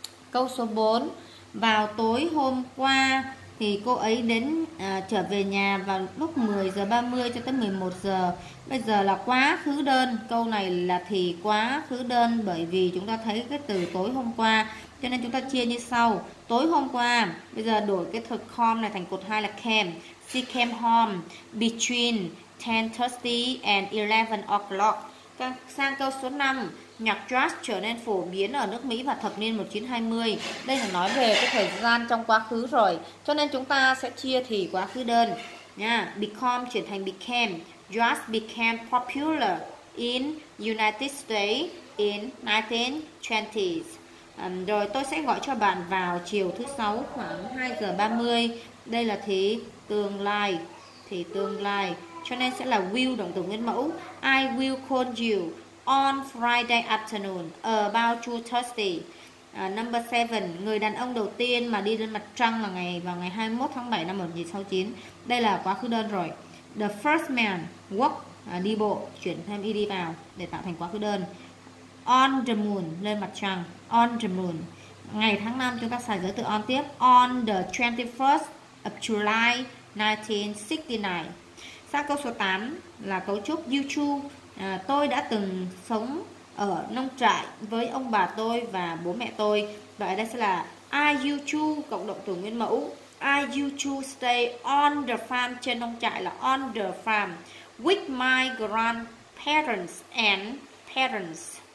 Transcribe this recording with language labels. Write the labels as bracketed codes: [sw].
[vi] Câu số 4, vào tối hôm qua thì cô ấy đến trở về nhà vào lúc 10:30 cho tới 11:00. Bây giờ là quá khứ đơn, câu này là thì quá khứ đơn, bởi vì chúng ta thấy cái từ tối hôm qua, cho nên chúng ta chia như sau. Tối hôm qua, bây giờ đổi cái thực com này thành cột 2 là came. [en] She came home between 10:30 and 11 o'clock. [vi] Sang câu số 5, Nhạc jazz trở nên phổ biến ở nước Mỹ vào thập niên 1920. Đây là nói về cái thời gian trong quá khứ rồi. Cho nên chúng ta sẽ chia thì quá khứ đơn. [en] Become [vi] chuyển thành [en] became. Jazz became popular in United States in 1920s. [vi] Rồi tôi sẽ gọi cho bạn vào chiều thứ sáu khoảng 2:30. Đây là thì tương lai. Thì tương lai. Cho nên sẽ là will động từ nguyên mẫu. [en] I will call you on Friday afternoon about 2:30. [vi] Number 7, người đàn ông đầu tiên mà đi lên mặt trăng là ngày vào ngày 21 tháng 7 năm 1969. Đây là quá khứ đơn rồi. [en] The first man walk [vi] đi bộ, chuyển thêm ed vào để tạo thành quá khứ đơn. [en] On the moon, [vi] lên mặt trăng. On the moon. Ngày tháng năm chúng ta xài giới từ on tiếp. [en] On the 21st of July 1969. [vi] Sang câu số 8 là cấu trúc you too. Tôi đã từng sống ở nông trại với ông bà tôi và bố mẹ tôi. Vậy đây sẽ là I you too, cộng động từ nguyên mẫu. [en] I you too stay on the farm, [vi] trên nông trại là [en] on the farm, with my grandparents and parents.